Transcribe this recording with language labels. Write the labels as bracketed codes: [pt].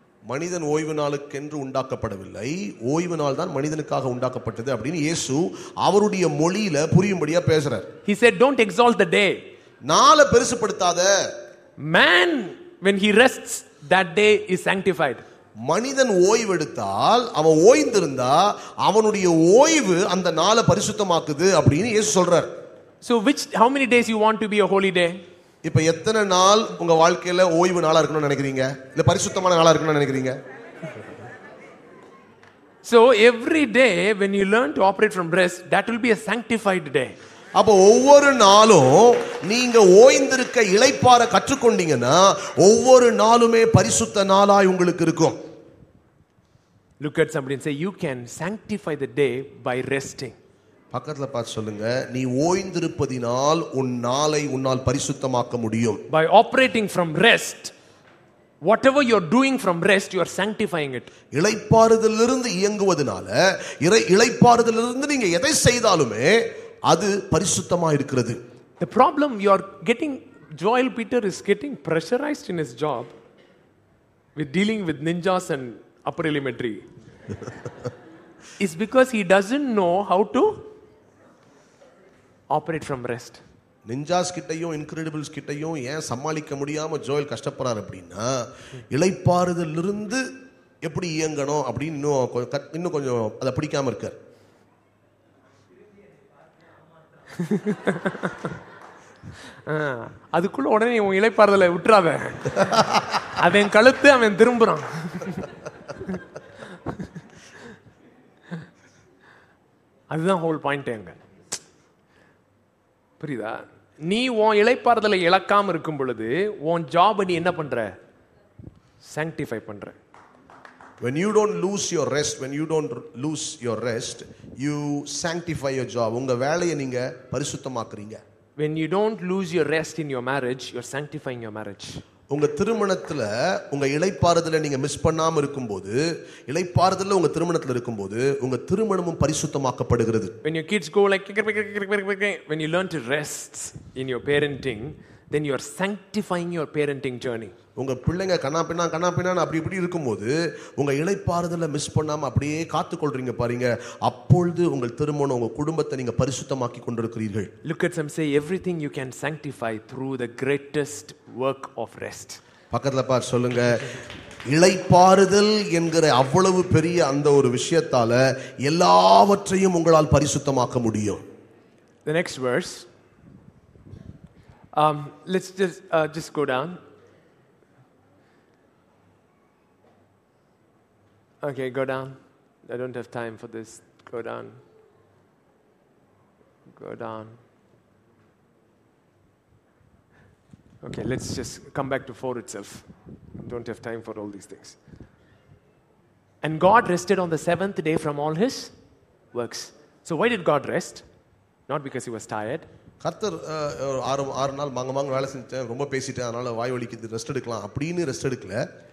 [ta] மனிதன் ஓய்வு நாளுக்கென்று உண்டாக்கப்படவில்லை, ஓய்வு நாள் தான் மனிதனுக்காக உண்டாக்கப்பட்டது அப்படின்னு இயேசு அவருடைய மொழியில புரியும்படியா பேசுறார். [en] He said, don't exalt the day. [ta] நாளை பெருசுப்படுத்தாத. [en] Man, when he rests, that day is sanctified. [ta] மனிதன் ஓய்வெடுத்தால், அவன் ஓய்ந்திருந்தா அவனுடைய ஓய்வு அந்த நாளை பரிசுத்தமாக்குது அப்படின்னு இயேசு சொல்றார். [en] So which, how many days you want to be a holy day? [ta] இப்ப எத்தனை நாள் உங்க வாழ்க்கையில ஓய்வு நாளா இருக்கணும்னு நினைக்கிறீங்க? இல்ல பரிசுத்தமான நாளா இருக்கணும்னு நினைக்கிறீங்க? [en] So every day when you learn to operate from rest, that will be a sanctified day. [ta] அப்ப ஒவ்வொரு நாளும் நீங்க ஓய்ந்திருக்க இளைப்பாற கற்றுக்கொண்டீங்கன்னா ஒவ்வொரு நாளுமே பரிசுத்த நாளாய் உங்களுக்கு இருக்கும். [en] Look at somebody and say, you can sanctify the day by resting. [ta] பக்கத்துல பார்த்து சொல்லுங்க, நீ ஓய்ந்திருப்பதினால் உன் நாளை உன்னால் பரிசுத்தமாக்க முடியும். [en] By operating from rest, whatever you're doing from rest, you are sanctifying it. [ta] இளைப்பாறுதலிலிருந்து இயங்குவதனால, இளைப்பாறுதலிலிருந்து நீங்க எதை செய்தாலுமே அது பரிசுத்தமா இருக்கிறது. [en] The problem, you are getting, Joel Peter is getting pressurized in his job with dealing with ninjas and upper elementary is because he doesn't know how to operate from rest. [ta] Ninjas கிட்டையும் Incredibles கிட்டையும் ஏன் சமாளிக்க முடியாம Joel கஷ்டப்படுறார் அப்படின்னா, இளைப்பாறுதல் இருந்து எப்படி இயங்கணும் அப்படின்னு இன்னும் கொஞ்சம் அதை பிடிக்காம இருக்கார். அதுக்குள்ள உடனே உன் இளைப்பாறுதல விட்டுறாத, அவன் கழுத்து அவன் திரும்புறான். அதுதான் ஹோல் பாயிண்ட் எங்க. புரியுதா? நீ உன் இளைப்பாறுதலை இழக்காம இருக்கும் பொழுது உன் ஜாப் நீ என்ன பண்ற? சாங்டிஃபை பண்ற. [en] When you don't lose your rest, when you don't lose your rest, you sanctify your job. [ta] உங்க வேலையை நீங்க பரிசுத்தமாக்குறீங்க. [en] When you don't lose your rest in your marriage, you're sanctifying your marriage. [ta] உங்க திருமணத்துல உங்க இளைப்பாறுதல நீங்க மிஸ் பண்ணாம இருக்கும்போது, இளைப்பாறுதல உங்க திருமணத்துல இருக்கும்போது உங்க திருமணமும் பரிசுத்தமாக்கப்படுகிறது. [en] When your kids go like, when you learn to rest in your parenting, then you are sanctifying your parenting journey. [ta] உங்க பிள்ளைங்க கண்ணாப்பின்னா கண்ணாப்பின்னா அப்படி இப்படி இருக்கும்போது உங்க இளைப்பாறுதல மிஸ் பண்ணாம அப்படியே காத்து கொள்றீங்க பாருங்க, அப்பொழுது உங்க திருமணம் உங்க குடும்பத்தை நீங்க பரிசுத்தமாக்கி கொண்டிருக்கிறீர்கள். [en] Look at some, say everything you can sanctify through the greatest work of rest. [ta] பக்கத்துல பார் சொல்லுங்க, இளைப்பாறுதல் என்கிற அவ்வளவு பெரிய அந்த ஒரு விஷயத்தால எல்லாவற்றையும் உங்களால் பரிசுத்தமாக்க முடியும். [en] The next verse, let's just go down. Okay, go down. I don't have time for this. Go down. Go down. Okay, let's just come back to 4 itself. I don't have time for all these things. And God rested on the 7th day from all his works. So why did God rest? Not because he was tired. [ta] கர்த்தர் ஆறு நாள் மங்க மங்க வேலை செஞ்சேன், ரொம்ப பேசிட்டேன், அதனால வாய் வலிக்குது, ரெஸ்ட் எடுக்கலாம் அப்படின்னு ரெஸ்ட் எடுக்கல.